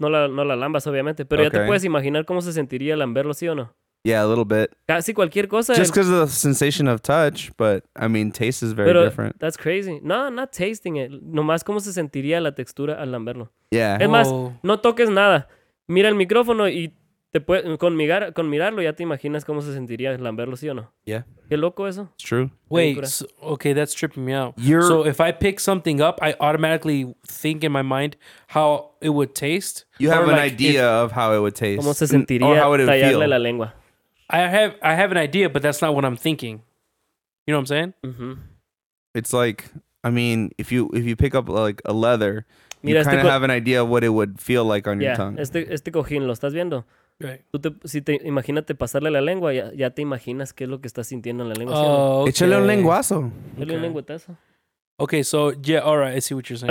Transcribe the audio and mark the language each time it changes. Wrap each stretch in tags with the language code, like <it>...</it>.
<es>No la lambas, obviamente, pero okay. Ya te puedes imaginar cómo se sentiría lamberlo, ¿sí o no?</es> <en>Yeah, a little bit.</en> <es>Casi cualquier cosa.</es> <en>Just because of the sensation of touch, but I mean, taste is very different. That's crazy. No, not tasting it.</en> <es>Nomás cómo se sentiría la textura al lamberlo.</es> <en>Yeah.</en> <es>Es más, no toques nada. Mira el micrófono y te puede, con mirarlo ya te imaginas cómo se sentiría al lamberlo, ¿sí o no?</es> <en>Yeah.</en> <es>Qué loco eso.</es> <en>It's true. Wait, okay, that's tripping me out. So if I pick something up, I automatically think in my mind how it would taste. You have an idea of how it would taste.</en> <es>Cómo se sentiría tallarle la lengua.</es> <en>I have an idea, but that's not what I'm thinking. You know what I'm saying? Mm-hmm. It's like, I mean, if you pick up like a leather, mira, you kind of have an idea of what it would feel like on your tongue.</en> <es>Este cojín, ¿lo estás viendo?</es> <en>Right.</en> <es>Tú te, si te imagínate pasarle la lengua, ya te imaginas qué es lo que estás sintiendo en la lengua. Okay. Échale un lenguazo. Échale un lenguetazo.</es> <en>Okay, so, yeah, all right, I see what you're saying.</en>